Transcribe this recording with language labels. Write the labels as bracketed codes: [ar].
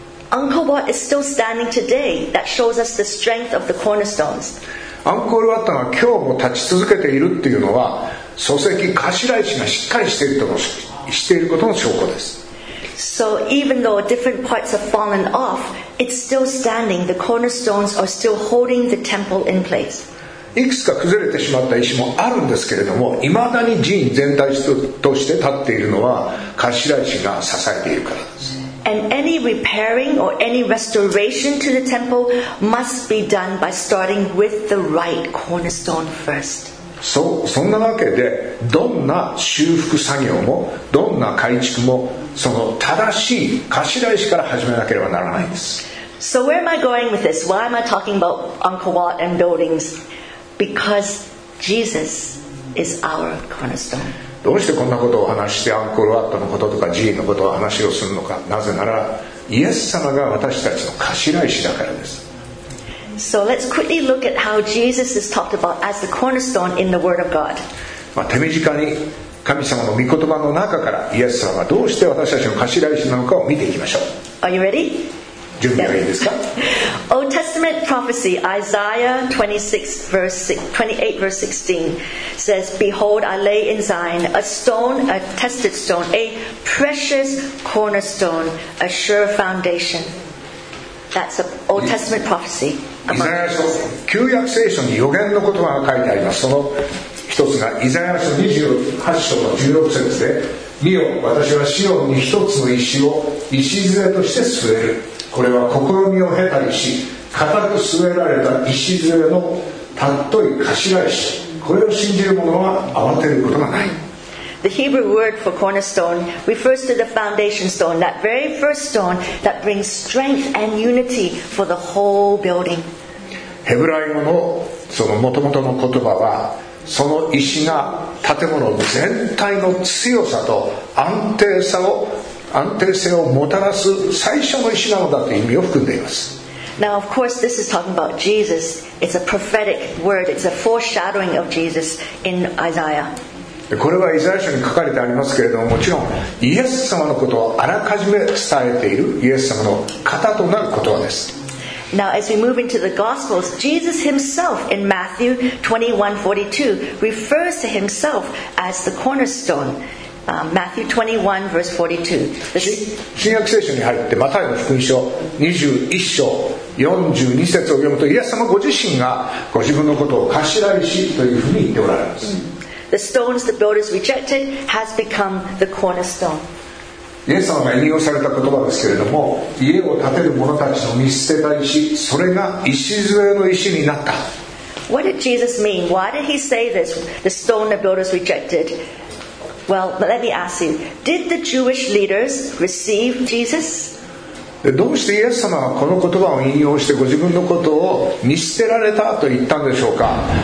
[en] Angkor Wat is still standing today. That shows us the strength of the cornerstones. [ja] Angkor Wat が今日も立ち続けているっていうのは、礎石、頭石がしっかりしていると、していることの証拠です。 [en] So even though different parts have fallen off, it's still standing. The cornerstones are still holding the temple in place. [ja] いくつか崩れてしまった石もあるんですけれども、いまだに寺院全体として立っているのは頭石が支えているからです。 [en] And any repairing or any restoration to the temple must be done by starting with the right cornerstone first. [ja] そんなわけで、どんな修復作業も、どんな改築も、その正しい頭石から始めなければならないんです。 [en] So where am I going with this? Why am I talking about Angkor Wat and buildings? Because Jesus is our cornerstone. [ja] どうしてこんなことを話してアンコールワットのこととか寺院のことを話をするのか、なぜならイエス様が私たちの頭石だからです。 [en] So let's quickly look at how Jesus is talked about as the cornerstone in the word of God. [ja] 手短に神様の御言葉の中からイエス様がどうして私たちの頭石なのかを見ていきましょう。 [en] Are you ready? [ja] 準備はいいですか。 [en] Old Testament prophecy Isaiah 28 verse 16 says, Behold, I lay in Zion a stone, a tested stone, a precious cornerstone, a sure foundation. That's an Old Testament prophecy. [ja] 旧約聖書に予言の言葉が書いてあります。その一つがイザヤ書28章16節で、見よ、私はシオンに一つの石を石杖として据える。これは試みを経たりし、固く据えられた石杖のたっとい頭石、これを信じる者は慌てることがない。 [en] The Hebrew word for cornerstone refers to the foundation stone, that very first stone that brings strength and unity for the whole building. [ja] ヘブライ語のその元々の言葉は、その石が建物全体の強さと安定性をもたらす最初の石なのだという意味を含んでいます。 [en] Now, of course, this is talking about Jesus. It's a prophetic word. It's a foreshadowing of Jesus in Isaiah. [ja] これはイザヤ書に書かれてありますけれども、もちろんイエス様のことをあらかじめ伝えている、イエス様の型となる言葉です。 [en] Now, as we move into the Gospels, Jesus himself in Matthew 21:42 refers to himself as the cornerstone. Matthew 21:42. [ja] 新約聖書に入ってマタイの福音書21章42節を読むと、イエス様ご自身がご自分のことを頭石というふうに言っておられます。 [en] The stones the builders rejected has become the cornerstone. [ja] イエス様が引用された言葉ですけれども、家を建てる者たちの見捨てた石、それが石杖の石になった。 [en] What did Jesus mean? Why did he say this? The stone the builders rejected. Well, let me ask you, did the Jewish leaders receive Jesus? [ja] どうしてイエス様はこの言葉を引用してご自分のことを見捨てられたと言ったんでしょうか。